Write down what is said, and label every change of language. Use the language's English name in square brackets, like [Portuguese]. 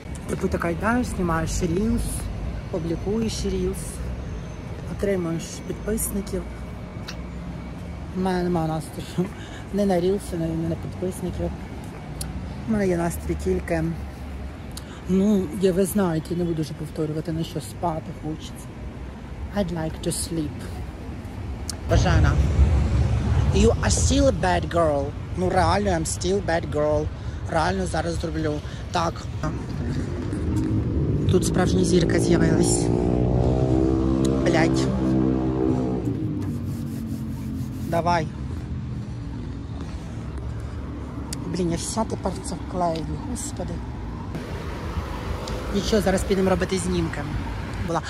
[Ukrainian] Типу така йдеш, знімаєш рілс, публікуєш рілс, отримуєш підписників. У мене нема настрою ні на рілси, ні на підписників. У мене є настрій тільки, ну, я, ви знаєте, я не буду вже повторювати, на що спати хочеться. [English] I'd like to sleep. Божена, you are still a bad girl. [Ukrainian] Ну, реально, [English] I'm still a bad girl. [Ukrainian] Реально, зараз зроблю. Так, тут справжня зірка з'явилась. Блять. Давай. Блін, я вся тепер це вклею, господи. Нічого, зараз підемо робити знімки. була.